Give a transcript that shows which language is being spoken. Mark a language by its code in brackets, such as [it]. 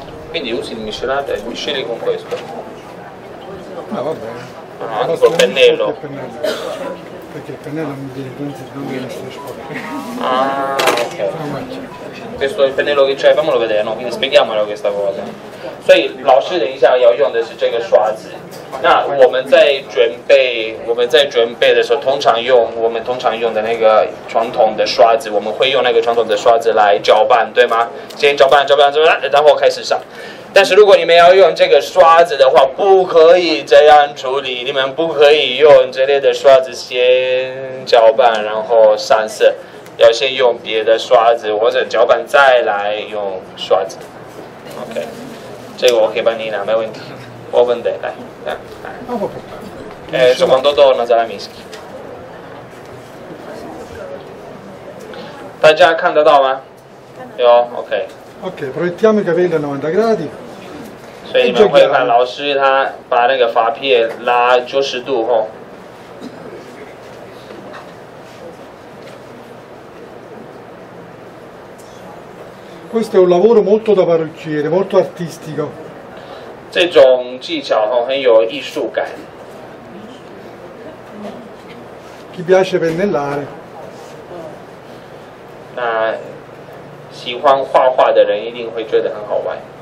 [it] quindi usi il miscelato e miscele con questo。 Perché il pennello che c'è, fammelo vedere, no? Quindi spieghiamolo questa cosa. [zh] 所以老师等一下要用的是这个刷子。那我们在准备的时候，通常用的那个传统的刷子，我们会用那个传统的刷子来搅拌，对吗？先搅拌，然后开始上。但是如果你们要用这个刷子的话，不可以这样处理，你们不可以用这类的刷子先搅拌然后上色，要先用别的刷子或者搅拌再来用刷子。 OK， 这个我可以帮你拿，没问题。我问的，来，这样。 [it] Quando torna dalla mischi， [zh] 大家看得到吗？有 ，OK。 [it] OK， proiettiamo i capelli a 90 gradi。 [zh] 所以你们会看老师他把那个发片拉90度后。 [it] Questo è un lavoro molto da parrucchiere, molto artistico。 [zh] 这种技巧哈很有艺术感。 [it] Chi piace pennellare？ [zh] 那。喜欢画画的人一定会觉得很好玩。